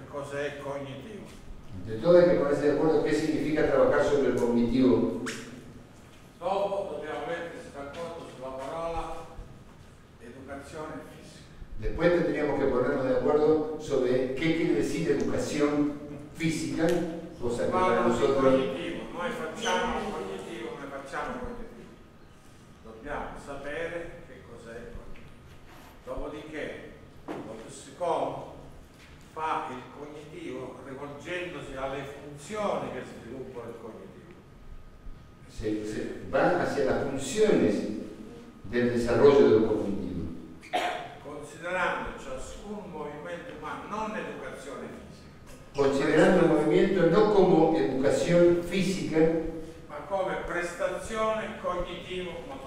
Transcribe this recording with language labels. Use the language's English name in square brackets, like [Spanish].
[Spanish] De todo hay que ponerse de acuerdo qué significa trabajar sobre el cognitivo. [Italian] Dopo dobbiamo mettersi d'accordo sulla parola educación física. [Spanish] Después tendríamos que ponernos de acuerdo sobre qué quiere decir educación física, cosa que para nosotros. [Italian] Cognitivo, noi facciamo il cognitivo, noi facciamo il cognitivo. Dobbiamo sapere che cos'è il cognitivo. Dopodiché, lo psicologo fa il cognitivo rivolgendosi alle funzioni che sviluppano il cognitivo. [Spanish] Se va hacia las funciones del desarrollo del cognitivo. [Italian] Considerando ciascun movimento umano, non educazione fisica. Considerando il movimento non come educazione fisica, ma come prestazione cognitivo-motoria.